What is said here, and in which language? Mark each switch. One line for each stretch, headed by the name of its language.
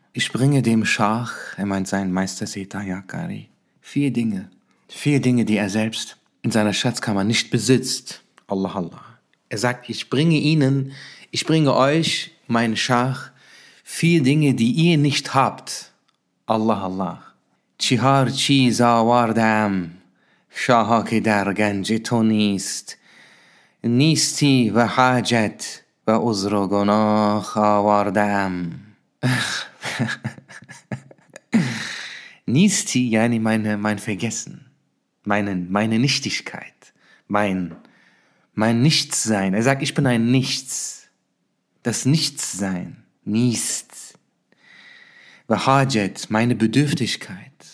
German: Ich bringe dem Schach, er meint seinen Meister Sayyid Taha Hakkari, vier Dinge, die er selbst in seiner Schatzkammer nicht besitzt. Allah Allah. Er sagt, ich bringe euch, mein Schach, vier Dinge, die ihr nicht habt. Allah Allah.
Persian: چهار چیز آوردم شاها که در گنج تو نیست نیستی و حاجت و عذر و گناه آوردم نیستی یعنی
German: mein vergessen meine Nichtigkeit mein Nichtsein. Er sagt, ich bin ein Nichts, das Nichtsein,
Persian: نیست و حاجت
German: meine Bedürftigkeit.